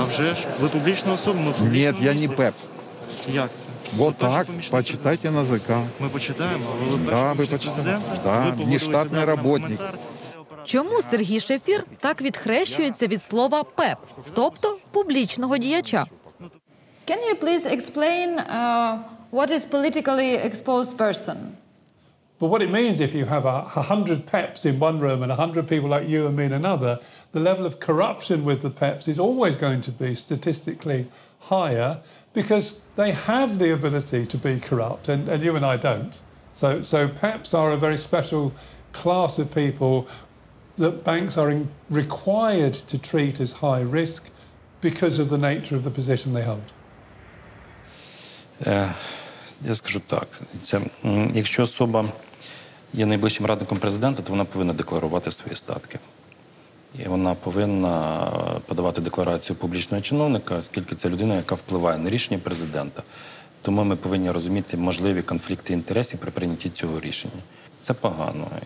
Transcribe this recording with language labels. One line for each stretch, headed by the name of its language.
Ukrainian: А вже ж, ви публічна особа, ми публічні. Ні, я не ПЕП. Як це? Вот так, почитайте на ЗК. Ми почитаємо, а ви да, ви почитаєте. Да, не штатний работник. Чому Сергій Шефір так відхрещується від слова ПЕП, тобто публічного діяча?
English: Can you please explain what is politically exposed person? But what it means if you have 100 PEPs in one room and 100 people like you and me in another, the level of corruption with the PEPs is always going to be statistically higher because they have the ability to be corrupt and you and I don't. So PEPs are a very special class of people that banks are required to treat as high risk because of the nature of the position they hold.
Ukrainian: Я скажу так. Якщо особа є найближчим радником президента, то вона повинна декларувати свої статки. І вона повинна подавати декларацію публічного чиновника, оскільки це людина, яка впливає на рішення президента. Тому ми повинні розуміти можливі конфлікти інтересів при прийнятті цього рішення. Це погано.